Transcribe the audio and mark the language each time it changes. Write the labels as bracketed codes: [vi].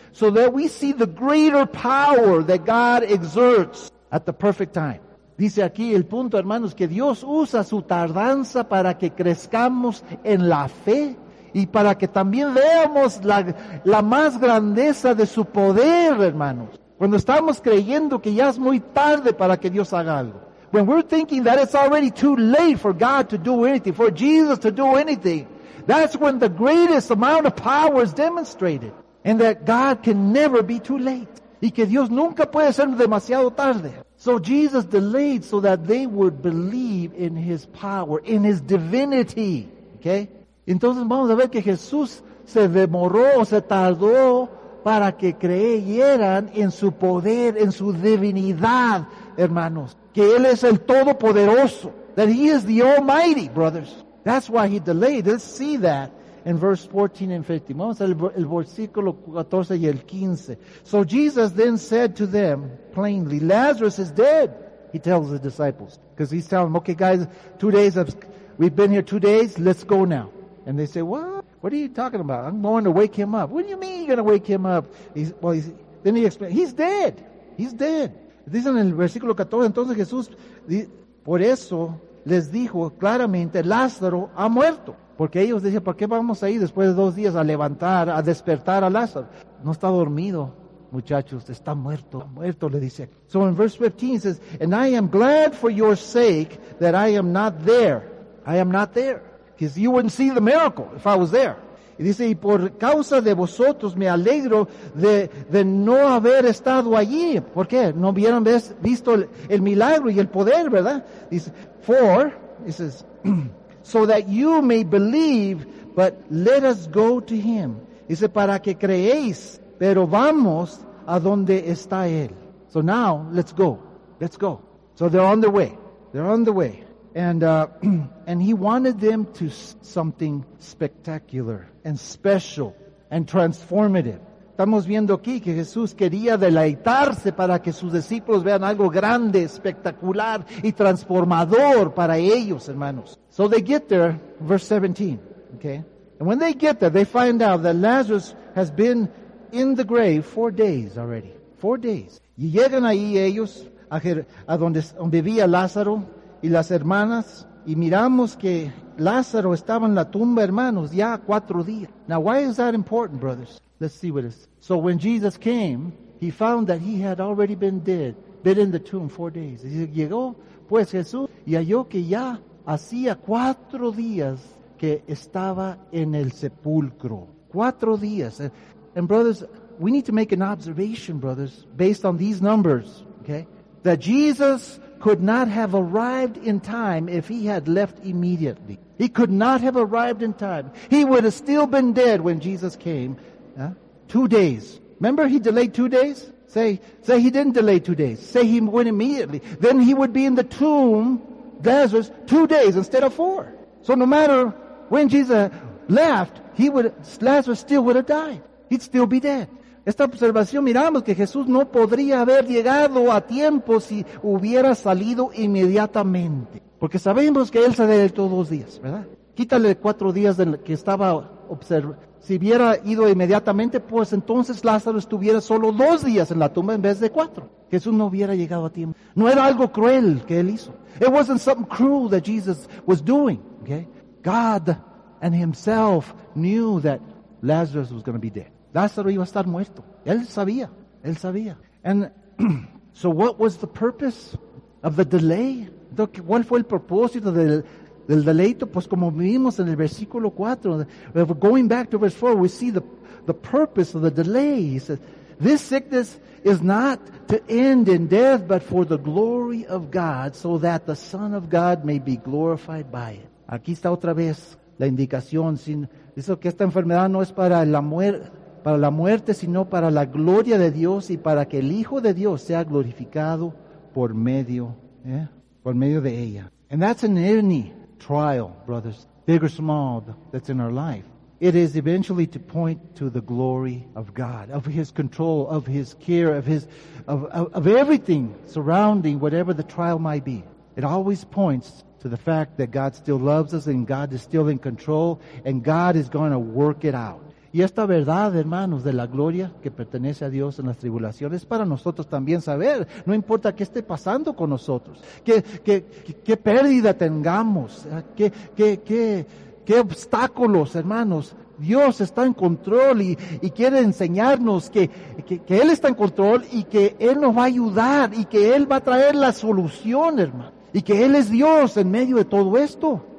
[en] So that we see the greater power that God exerts at the perfect time. [es] Dice aquí el punto, hermanos, que Dios usa su tardanza para que crezcamos en la fe y para que también veamos la más grandeza de su poder, hermanos. Cuando estamos creyendo que ya es muy tarde para que Dios haga algo. [en] When we're thinking that it's already too late for God to do anything, for Jesus to do anything, that's when the greatest amount of power is demonstrated. And that God can never be too late. [es] Y que Dios nunca puede ser demasiado tarde. [en] So Jesus delayed so that they would believe in his power, in his divinity. Okay? [es] Entonces vamos a ver que Jesús se demoró, se tardó para que creyeran en su poder, en su divinidad, hermanos. Que Él es el Todopoderoso. [en] That He is the Almighty, brothers. That's why He delayed. Let's see that in verse 14 and 15. [es] Vamos a ver el versículo 14 y el 15. [en] So Jesus then said to them plainly, Lazarus is dead, He tells the disciples. Because He's telling them, okay guys, 2 days, we've been here 2 days, let's go now. And they say, what are you talking about? I'm going to wake him up. What do you mean you're going to wake him up? Then he explains, he's dead. [es] Dicen en el versículo 14, entonces Jesús, por eso les dijo claramente, Lázaro ha muerto. Porque ellos decían, ¿para qué vamos a ir después de 2 días a levantar, a despertar a Lázaro? No está dormido, muchachos, está muerto. Está muerto, le dice. [en] So in verse 15, he says, and I am glad for your sake that I am not there. I am not there. Because you wouldn't see the miracle if I was there. [es] Y dice, y por causa de vosotros me alegro de no haber estado allí. ¿Por qué? No hubieran visto el milagro y el poder, ¿verdad? Dice, [en] for, he says, so that you may believe, but let us go to him. [es] Dice, para que creéis, pero vamos a donde está él. [en] So now, let's go. Let's go. So they're on their way. They're on their way. And he wanted them to something spectacular and special and transformative. [es] Estamos viendo aquí que Jesús quería deleitarse para que sus discípulos vean algo grande, espectacular y transformador para ellos, hermanos. [en] So they get there, verse 17, okay? And when they get there, they find out that Lazarus has been in the grave 4 days already. 4 days. [es] Y llegan ahí ellos a donde vivía Lázaro. Y las hermanas, y miramos que Lázaro estaba en la tumba, hermanos, ya 4 días. [en] Now, why is that important, brothers? Let's see what it is. So when Jesus came, he found that he had already been in the tomb 4 days. [es] Y llegó, pues, Jesús, y halló que ya hacía 4 días que estaba en el sepulcro. 4 días. [en] And brothers, we need to make an observation, brothers, based on these numbers, okay? That Jesus could not have arrived in time if he had left immediately. He could not have arrived in time. He would have still been dead when Jesus came. Huh? 2 days. Remember he delayed 2 days? Say he didn't delay 2 days. Say he went immediately. Then he would be in the tomb, Lazarus, 2 days instead of 4. So no matter when Jesus left, Lazarus still would have died. He'd still be dead. [es] Esta observación, miramos que Jesús no podría haber llegado a tiempo si hubiera salido inmediatamente. Porque sabemos que Él se adelantó 2 días, ¿verdad? Quítale 4 días de que estaba observando. Si hubiera ido inmediatamente, pues entonces Lázaro estuviera solo 2 días en la tumba en vez de 4. Jesús no hubiera llegado a tiempo. No era algo cruel que él hizo. [en] It wasn't something cruel that Jesus was doing. Okay? God and himself knew that Lazarus was going to be dead. [es] Lázaro iba a estar muerto. Él sabía. [en] And so what was the purpose of the delay? [es] ¿Cuál fue el propósito del deleito? Pues como vimos en el versículo 4, [en] going back to verse 4, we see the purpose of the delay. He says, this sickness is not to end in death, but for the glory of God, so that the Son of God may be glorified by it. [es] Aquí está otra vez la indicación. Dice que esta enfermedad no es para la muerte, sino para la gloria de Dios y para que el Hijo de Dios sea glorificado por medio de ella. [en] And that's in any trial, brothers, big or small, that's in our life. It is eventually to point to the glory of God, of His control, of His care, of everything surrounding whatever the trial might be. It always points to the fact that God still loves us and God is still in control and God is going to work it out. [es] Y esta verdad, hermanos, de la gloria que pertenece a Dios en las tribulaciones, para nosotros también saber, no importa qué esté pasando con nosotros, qué pérdida tengamos, qué obstáculos, hermanos. Dios está en control y quiere enseñarnos que Él está en control y que Él nos va a ayudar y que Él va a traer la solución, hermano, y que Él es Dios en medio de todo esto.